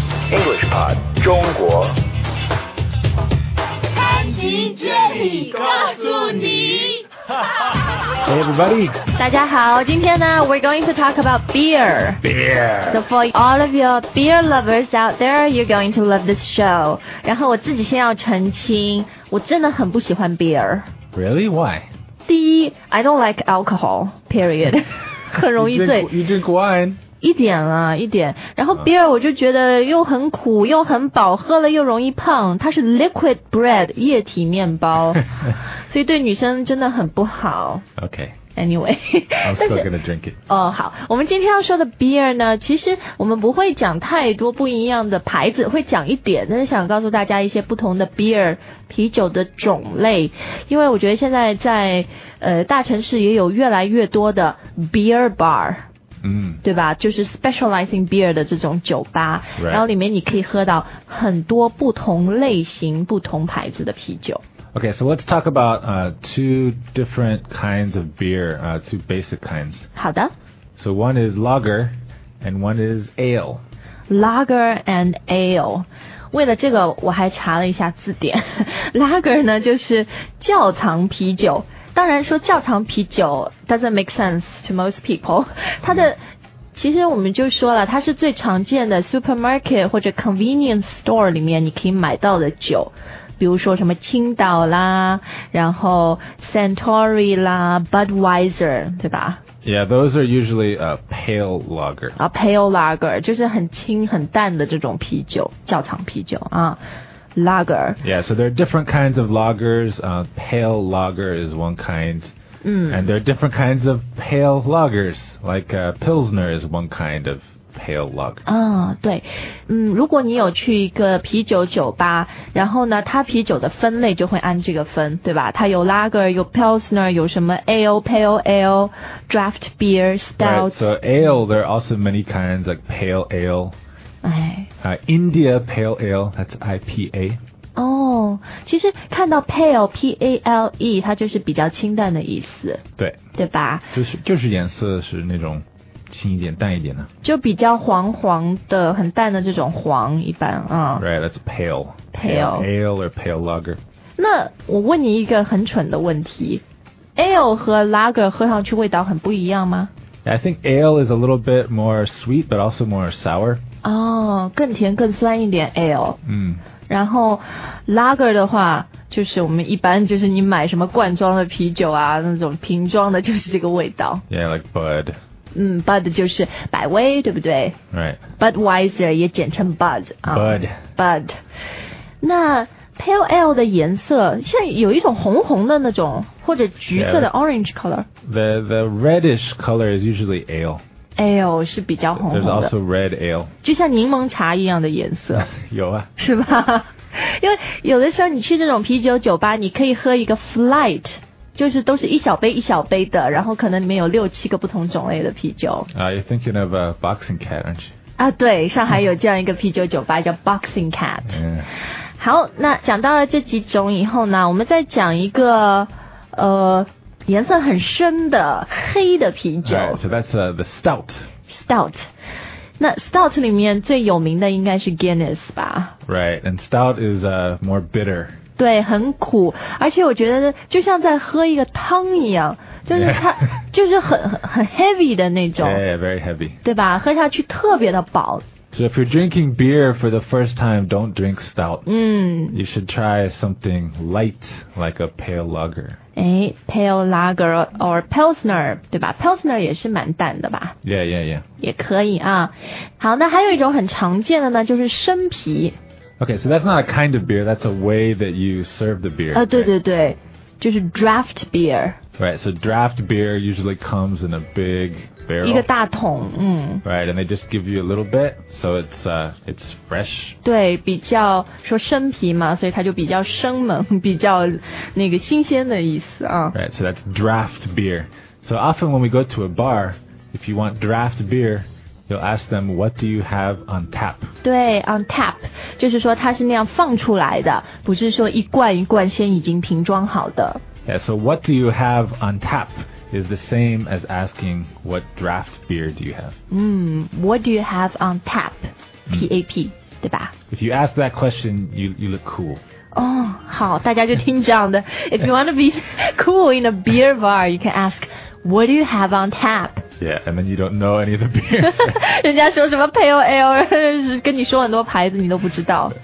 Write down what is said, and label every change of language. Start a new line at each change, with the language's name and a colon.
Chinese: Launchpad 中国。潘吉这里告诉你。
English: Hey everybody.
Chinese: 大家好，今天呢
English: we're going to talk about beer. Beer. So for all of your beer lovers out there, you're going to love this show.
Chinese: 然后我自己先要澄清，我真的很不喜欢 beer.
English: Really? Why?
Chinese: 第一
English: I don't like alcohol, period.
Chinese: 很容易醉。
English: You drink wine?
Chinese: 一点啊一点，然后 beer 我就觉得又很苦又很饱，喝了又容易胖，它是 liquid bread 液体面包，所以对女生真的很不好。
English: OK anyway I'm still gonna drink it.
Chinese: 哦好，我们今天要说的 beer 呢，其实我们不会讲太多不一样的牌子，会讲一点，但是想告诉大家一些不同的 beer 啤酒的种类，因为我觉得现在在大城市也有越来越多的 beer bar，对吧，就是 specializing beer 的这种酒吧、
English: right.
Chinese: 然后里面你可以喝到很多不同类型不同牌子的啤酒。
English: Okay, so let's talk about two different kinds of beer, two basic kinds.
Chinese: 好的。
English: So one is lager and one is ale. Lager and ale.
Chinese: 为了这个我还查了一下字典。Lager 呢就是窖藏啤酒，当然说窖藏啤酒
English: doesn't make sense to most people.
Chinese: 它的、其实我们就说了，它是最常见的 supermarket 或者 convenience store 里面你可以买到的酒，比如说什么青岛啦，然后 Suntory 啦， Budweiser 对吧？
English: Yeah, those are usually a pale lager.
Chinese: A pale lager 就是很轻很淡的这种啤酒，窖藏啤酒啊。
English: Lager. Yeah, so there are different kinds of lagers. Pale lager is one kind. And there are different kinds of pale lagers. Like Pilsner is one kind of pale lager.
Chinese: 对。如果你有去一个啤酒酒吧，然后呢它啤酒的分类就会按这个分，对吧？它有 lager, 有 Pilsner, 有什么 ale, pale ale, draft beer, stout.
English: Right, so ale, there are also many kinds, like pale ale. India Pale Ale, that's IPA.
Chinese: 哦、其实看到 Pale, P-A-L-E, 它就是比较清淡的意思。对。对吧？就是颜色是那种清一点淡一点的。就比较黄黄的很淡的这种黄一般。
English: Right, that's pale. Pale. Ale or pale lager.
Chinese: 那我问你一个很蠢的问题。Ale 和 lager 喝上去味道很不一样吗？
English: I think ale is a little bit more sweet, but also more sour.
Chinese: 哦、更甜更酸一点 ale、然后 lager 的话就是我们一般就是你买什么罐装的啤酒啊，那种瓶装的就是这个味道。
English: Yeah, like Bud.
Chinese: Bud 就是百威，对不对？
English: Right.
Chinese: Budweiser 也简称 Bud、
English: Bud. Bud.
Chinese: 那 pale ale 的颜色像有一种红红的那种，或者橘色的 orange color。
English: The reddish color is usually ale
Chinese: Ale 是比较红红的。
English: There's also red ale.
Chinese: 就像柠檬茶一样的颜色。有啊。是吧？因为有的时候你去这种啤酒酒吧，你可以喝一个 flight， 就是都是一小杯一小杯的，然后可能里面有六七个不同种类的啤酒。
English: You're thinking of a boxing cat, aren't you?
Chinese: 啊，对，上海有这样一个啤酒酒吧叫 boxing cat。好，那讲到了这几种以后呢，我们再讲一个颜色很深的黑的啤酒。
English: Right, so that's the stout. Stout.
Chinese: 那 stout 里面最有名的应该是 Guinness 吧。
English: Right, and stout is more bitter.
Chinese: 对，很苦，而且我觉得就像在喝一个汤一样，就是它、
English: yeah.
Chinese: 就是很 heavy 的那种。
English: Yeah, yeah, very heavy.
Chinese: 对吧？喝下去特别的饱。
English: So if you're drinking beer for the first time, don't drink stout. You should try something light, like a pale lager. Pale lager or Pilsner,
Chinese: 对吧？ Pilsner 也是蛮淡的吧？
English: Yeah, yeah, yeah.
Chinese: 也可以啊。好，那还有一种很常见的呢，就是生啤。
English: Okay, so that's not a kind of beer, that's a way that you serve the beer.
Chinese: 对对对，就是 draft beer.
English: Right, so draft beer usually comes in a big...
Chinese: 一个大桶，
English: Right, and they just give you a little bit, so it's fresh.
Chinese: 对，比较说生啤嘛，所以它就比较生猛，比较那个新鲜的意思啊。
English: Right, so that's draft beer. So often when we go to a bar, if you want draft beer, you'll ask them, what do you have on tap?
Chinese: 对 ，on tap 就是说它是那样放出来的，不是说一罐一罐先已经瓶装好的。
English: Yeah, so what do you have on tap? Is the same as asking what draft beer do you have? What do you have on tap? P-A-P, 对吧？ if you ask that question, you look cool.
Chinese: Oh, 好，大家就听这样的。
English: If you want to be cool in a beer bar, you can ask, what do you have on tap? Yeah, and then you don't know any of the beers.
Chinese: 人家说什么 pale ale, 跟你说很多牌子你都不知道。